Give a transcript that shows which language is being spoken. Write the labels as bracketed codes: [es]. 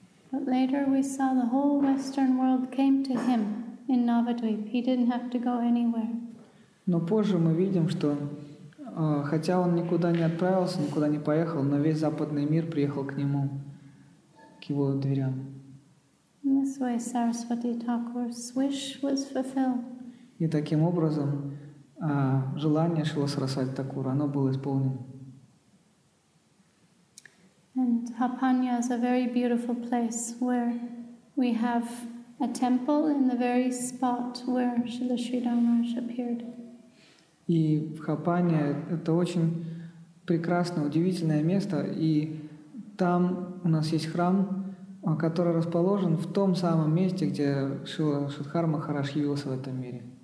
[en] But later we saw the whole Western world came to him in Navadvip. He didn't have to go anywhere. [ru] Но позже мы видим, что хотя он никуда не отправился, никуда не поехал, но весь западный мир приехал к нему, к его дверям. [en] In this way, Saraswati Thakur's wish was fulfilled. [ru] И таким образом желание Шрила Сарасвати Такура, оно было исполнено. [en] And Hapanya is a very beautiful place where we have a temple in the very spot where Srila Sridhar Maharaj appeared. [ru] И в Хапане это очень прекрасное, удивительное место, и там у нас есть храм, который расположен в том самом месте, где Шрила Шридхар Махарадж явился в этом мире.